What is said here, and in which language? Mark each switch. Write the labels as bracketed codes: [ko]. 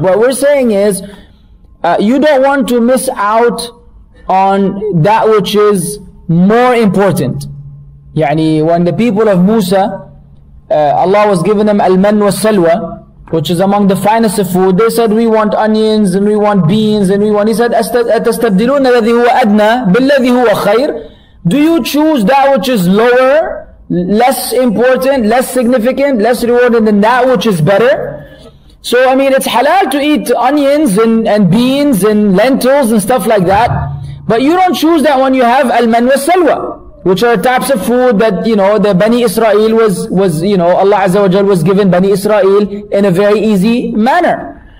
[en] What we're saying is, you don't want to miss out on that which is more important. Yani, when the people of Musa, Allah was giving them al-man wa-salwa, which is among the finest of food. They said, we want onions, and we want beans, and we want... [ar] He said, أَتَسْتَبْدِلُونَ الَّذِي هُوَ أَدْنَى بِالَّذِي هُوَ خَيْرٍ. [en] Do you choose that which is lower, less important, less significant, less rewarded than that which is better? So, I mean, it's halal to eat onions and beans and lentils and stuff like that. But you don't choose that when you have al-man wa-salwa, which are types of food that, you know, the Bani Israel was, you know, Allah Azza wa Jal was given Bani Israel in a very easy manner.